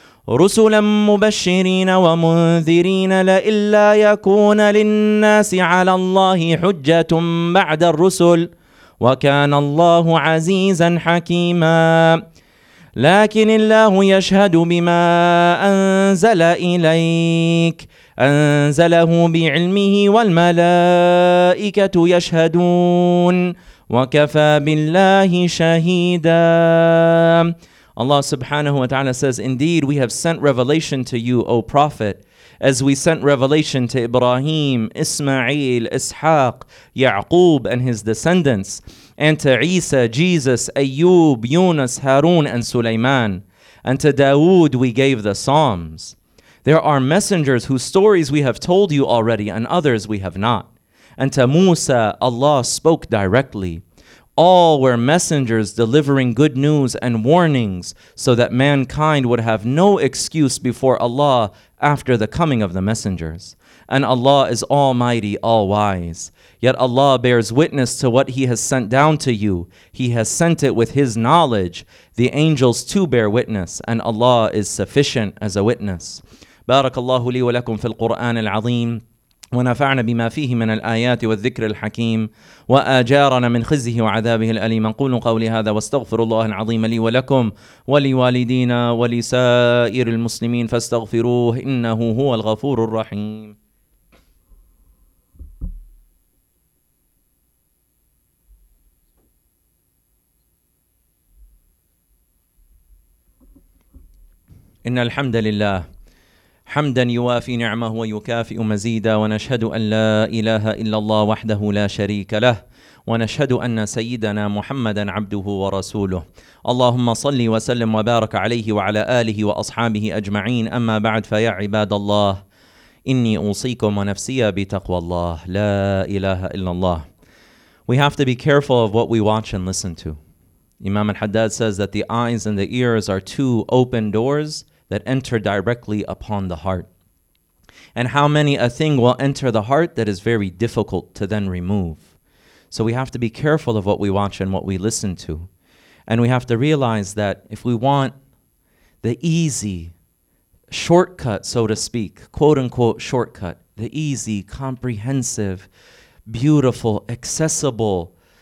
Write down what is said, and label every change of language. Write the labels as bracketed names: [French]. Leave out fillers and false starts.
[Arabic] رسلا مبشرين ومنذرين لئلا يكون للناس على الله حجة بعد الرسل وكان الله عزيزا حكيما لكن الله يشهد بما أنزل إليك أنزله بعلمه والملائكة يشهدون وكفى بالله شهيدا. [English] Allah subhanahu wa ta'ala says, indeed, we have sent revelation to you, O Prophet, as we sent revelation to Ibrahim, Ismail, Ishaq, Ya'qub and his descendants, and to Isa, Jesus, Ayyub, Yunus, Harun, and Sulaiman, and to Dawood we gave the Psalms. There are messengers whose stories we have told you already, and others we have not. And to Musa, Allah spoke directly. All were messengers delivering good news and warnings so that mankind would have no excuse before Allah after the coming of the messengers. And Allah is Almighty, All-Wise. Yet Allah bears witness to what He has sent down to you. He has sent it with His knowledge. The angels too bear witness, and Allah is sufficient as a witness. [Arabic] Barakallahu li wa lakum fil Qur'an al-Azim. ونفعنا بما فيه من الآيات والذكر الحكيم وآجارنا من خزيه وعذابه الأليم نقول قولي هذا واستغفر الله العظيم لي ولكم ولوالدينا ولسائر المسلمين فاستغفروه إنه هو الغفور الرحيم. إن الحمد لله حمدا يوافي نعمه ويكافئ مزيدا ونشهد أن لا إله إلا الله وحده لا شريك له ونشهد أن سيدنا محمدا عبده ورسوله اللهم صل وسلم وبارك عليه وعلى آله وأصحابه أجمعين أما بعد فيا عباد الله إني أوصيكم ونفسي بتقوى الله لا إله إلا الله. [English] We have to be careful of what we watch and listen to. Imam al-Haddad says that the eyes and the ears are two open doors that enter directly upon the heart. And how many a thing will enter the heart that is very difficult to then remove. So we have to be careful of what we watch and what we listen to. And we have to realize that if we want the easy shortcut, so to speak, quote unquote shortcut, the easy, comprehensive, beautiful, accessible